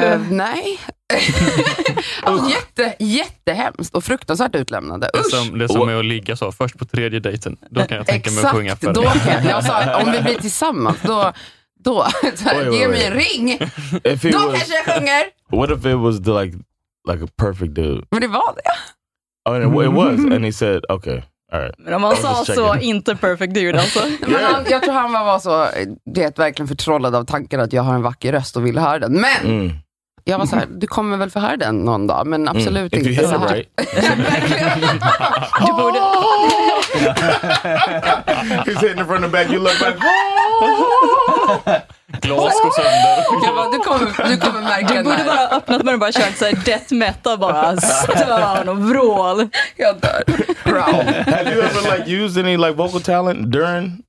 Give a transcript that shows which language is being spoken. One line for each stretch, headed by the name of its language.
Swedish: Nej. Alltså, jättehemskt och fruktansvärt utlämnande. Det är som med att ligga så först på tredje dejten, då kan jag tänka mig att sjunga för dig. Exakt. Då kan jag sa, om vi blir tillsammans då ge mig en ring. Kanske jag sjunger.
English: What if it was like a perfect dude?
Swedish: Men det var det.
English: Oh, and it was and he said, okay.
Swedish: Men om han sa så, inte
English: perfect dude
Swedish: alltså. Men han, jag tror han var så, det verkligen förtrollad av tanken att jag har en vacker röst och vill höra den. Men jag var så här, du kommer väl få höra den någon dag, men absolut inte så här.
English: Right.
Swedish: Du borde.
English: He's hitting it from the back, you look like.
Swedish: Glas går sönder. Bara, du kommer märka det. Du borde bara öppnat med och bara kört så här death metal, bara stön och vrål. Jag dör.
English: Have you ever like used any like vocal talent during